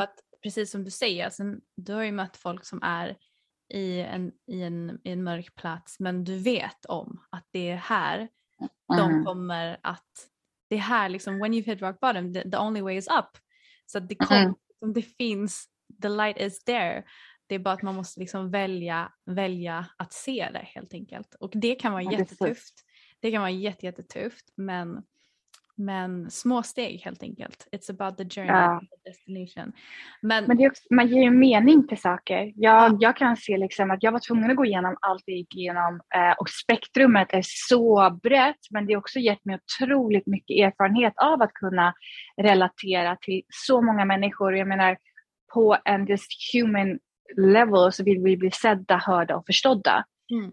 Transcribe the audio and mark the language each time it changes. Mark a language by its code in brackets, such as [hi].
[sv] Att, precis som du säger, alltså, du har ju mött folk som är i en mörk plats, men du vet om att det är här de kommer att, det är här liksom, [en] when you've hit rock bottom, the only way is up. [sv] Så det kommer, det finns, [en] the light is there. [sv] Det är bara att man måste liksom välja att se det, helt enkelt. Och det kan vara jättetufft. Det kan vara jättetufft, men Men små steg helt enkelt. [en] It's about the journey, [sv] ja, [en] the destination. [sv] Men det är också, man ger ju mening till saker. Jag kan se liksom att jag var tvungen att gå igenom allt jag gick igenom. Och spektrumet är så brett. Men det har också gett mig otroligt mycket erfarenhet av att kunna relatera till så många människor. Jag menar, på en [en] just human level [sv] så vill vi bli sedda, hörda och förstådda. Mm.